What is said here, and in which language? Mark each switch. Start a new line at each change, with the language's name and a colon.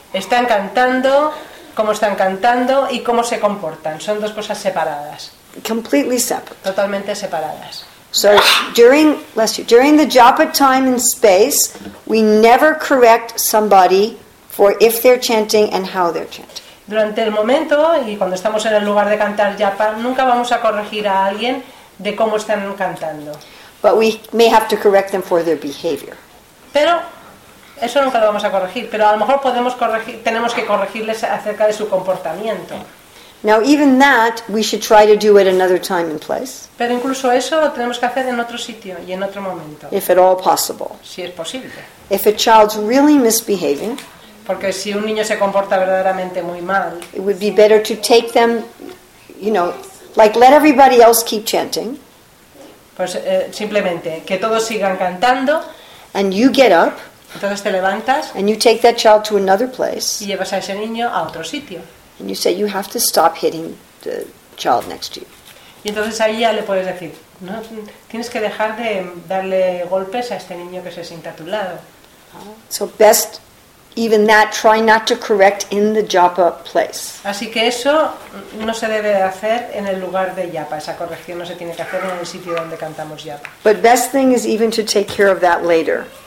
Spanish: Están cantando, cómo están cantando y cómo se comportan. Son dos cosas separadas.
English: Completely separate.
Spanish: Totalmente separadas.
English: So during the japa time in space, we never correct somebody for if they're chanting and how they're chanting.
Spanish: Durante el momento y cuando estamos en el lugar de cantar japa, nunca vamos a corregir a alguien de cómo están cantando.
English: But we may have to correct them for their behavior.
Spanish: Pero eso nunca lo vamos a corregir, pero a lo mejor podemos corregir, tenemos que corregirles acerca de su comportamiento.
English: Now even that we should try to do at another time and place.
Spanish: Pero incluso eso lo tenemos que hacer en otro sitio y en otro momento.
English: If at all possible.
Spanish: Si es posible.
English: If a child's really misbehaving,
Spanish: porque si un niño se comporta verdaderamente muy mal,
English: it would be better to take them, you know, like let everybody else keep chanting.
Spanish: Pues simplemente que todos sigan cantando.
English: And you get up.
Spanish: Entonces te levantas,
English: and you take that child to another place,
Spanish: y llevas a ese niño a otro sitio.
English: And you say you have to stop hitting the child next to you.
Spanish: Y entonces ahí ya le puedes decir, no, tienes que dejar de darle golpes a este niño que se sienta a tu lado.
English: So best, even that, try not to correct in the japa place.
Spanish: Así que eso no se debe hacer en el lugar de japa. Esa corrección no se tiene que hacer en el sitio donde cantamos japa.
English: But best thing is even to take care of that later.